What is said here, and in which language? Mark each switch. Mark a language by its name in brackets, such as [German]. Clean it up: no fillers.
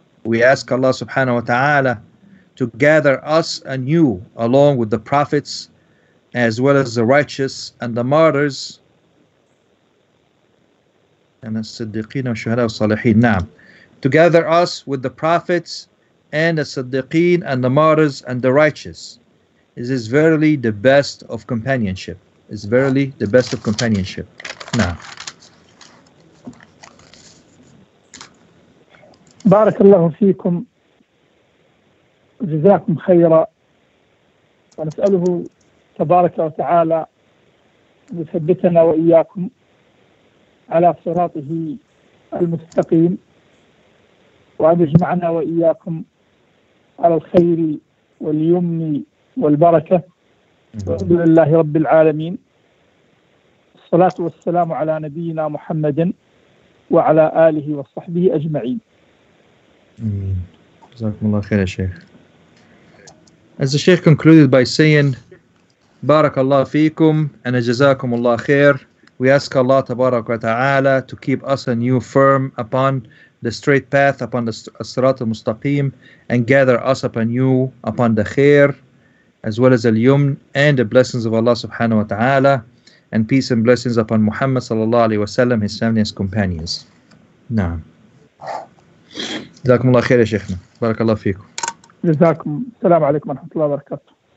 [English] We ask Allah subhanahu wa ta'ala to gather us and you along with the prophets as well as the righteous and the martyrs and the siddiqeen and shuhada salihin. Na'am. To gather us with the prophets and the siddiqeen and the martyrs and the righteous. This is verily the best of companionship. It's verily the best of companionship. Na'am. [Arabic] بارك الله فيكم جزاكم خيرا ونسأله تبارك وتعالى أن يثبتنا وإياكم على صراطه المستقيم وأن يجمعنا وإياكم على الخير واليمن والبركة والحمد لله رب العالمين الصلاة والسلام على نبينا محمد وعلى آله وصحبه أجمعين. [English] Jazakumullah khair, Shaykh. As the Shaykh concluded by saying, Barakallah feekum and Jazakumullah khair, we ask Allah tabarak wa ta'ala to keep us and you firm upon the straight path, upon the Sirat al Mustaqim, and gather us upon you, upon the khair, as well as al yumn and the blessings of Allah subhanahu wa ta'ala, and peace and blessings upon Muhammad sallallahu alayhi wa sallam, his family, his companions. Naam. [Arabic] جزاكم الله خير يا شيخنا بارك الله فيكم جزاكم السلام عليكم ورحمة الله وبركاته